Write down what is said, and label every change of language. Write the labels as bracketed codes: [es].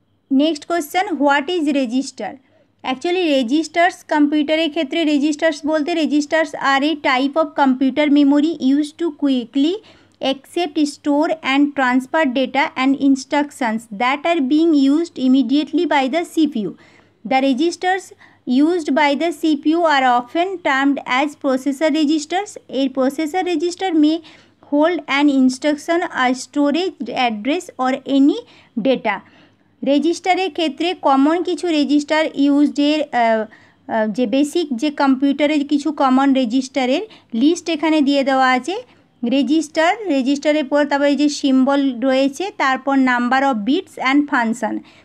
[en] Next question, what is register? Actually registers কম্পিউটারের ক্ষেত্রে, registers বলতে registers are a type of computer memory use to quickly accept store and transfer data and instructions that are being used immediately by the CPU. The registers used by the CPU are often termed as processor registers. A processor register may hold an instruction, a storage address or any data. [bn] রেজিস্টারের ক্ষেত্রে common কিছু register ইউজডের, যে basic যে কম্পিউটারের কিছু common রেজিস্টারের list এখানে দিয়ে দেওয়া আছে। রেজিস্টার, রেজিস্টারের পর তারপরে যে সিম্বল রয়েছে, তারপর number of bits and function.